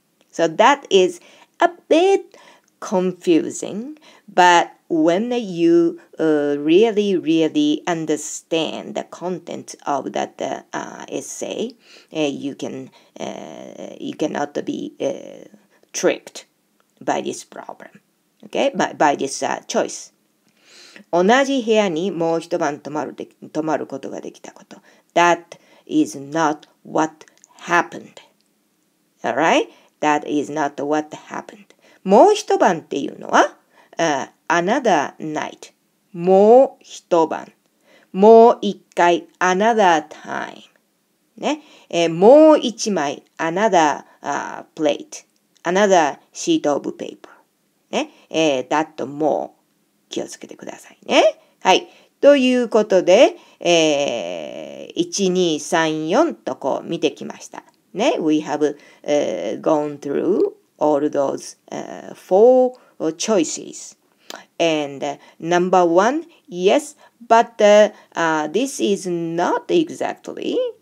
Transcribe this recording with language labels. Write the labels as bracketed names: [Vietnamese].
[English] So that is a bit confusing, but when you really, really understand the content of that essay, you cannot be tricked by this problem, okay? By this choice. [Japanese] 同じ部屋にもう一晩泊まることができたこと。 [English] That is not what happened. All right? That is not what happened. [Japanese] もう一晩っていうのは、 [English] another night. [Japanese] もう一晩。もう一回、 [English] another time. [Japanese] ね、もう一枚、 [English] another plate, another sheet of paper. ね、that more. [Japanese] 気をつけてくださいね。はい。ということで、1、2、3、4とこう見てきました。 [English] ね、we have gone through all those four choices. And number one, yes, but this is not exactly...